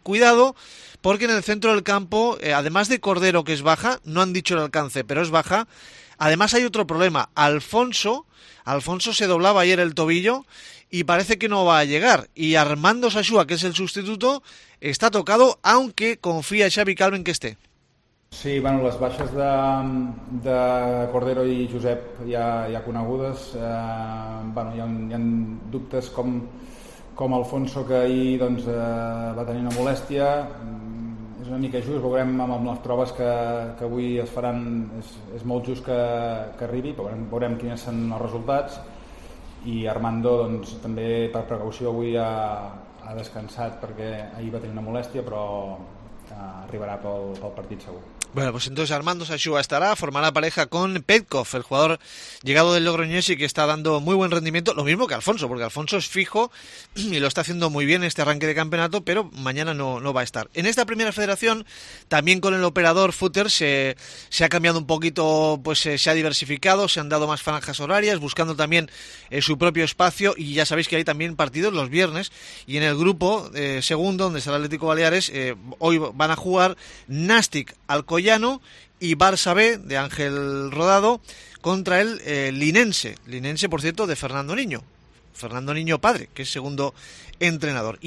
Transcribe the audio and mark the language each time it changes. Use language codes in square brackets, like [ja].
[es] Cuidado, porque en el centro del campo, además de Cordero, que es baja, no han dicho el alcance, pero es baja, además hay otro problema, Alfonso se doblaba ayer el tobillo y parece que no va a llegar, y Armando Sashua, que es el sustituto, está tocado, aunque confía Xavi Calvin que esté. [ca] Sí, bueno, les baixes de Cordero i Josep ja conegudes. Bueno, hi ha dubtes com Alfonso, que ahir doncs, va tenir una molèstia. És una mica just, veurem amb les proves que avui es faran, és molt just que arribi, veurem quins són els resultats. I Armando, doncs, també per precaució avui ha descansat, perquè ahir va tenir una molèstia, però arribarà pel partit segur. [es] Bueno, pues entonces Armando Sashua estará, formará pareja con Petkov, el jugador llegado del Logroñés y que está dando muy buen rendimiento, lo mismo que Alfonso, porque Alfonso es fijo y lo está haciendo muy bien este arranque de campeonato, pero mañana no va a estar. En esta primera federación, también con el operador Footer, se ha cambiado un poquito, pues se ha diversificado, se han dado más franjas horarias, buscando también su propio espacio, y ya sabéis que hay también partidos los viernes, y en el grupo segundo, donde está el Atlético Baleares, hoy van a jugar Nastic al Collano y Barça B de Ángel Rodado contra el Linense, por cierto, de Fernando Niño padre, que es segundo entrenador.